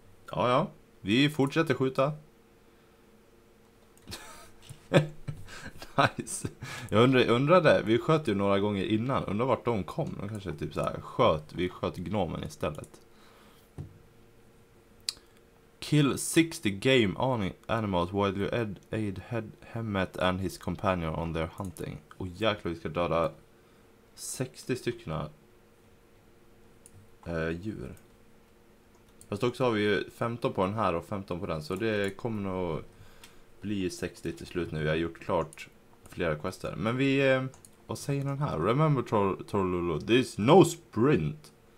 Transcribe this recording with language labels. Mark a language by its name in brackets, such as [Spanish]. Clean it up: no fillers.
[Swedish] Ja. Vi fortsätter skjuta. Nice. Jag undrade. Vi sköt ju några gånger innan. Undrar vart de kom. De kanske typ så här sköt. Vi sköt gnomen istället. [English] Kill 60 game animals while you aid Hemet and his companion on their hunting. [Swedish] Och jäklar, vi ska döda 60 stycken djur. Fast också har vi ju 15 på den här och 15 på den. Så det kommer nog bli 60 till slut nu. Jag har gjort klart flera quester. Men vi... vad säger den här? [English] Remember Trollolo, this is no sprint.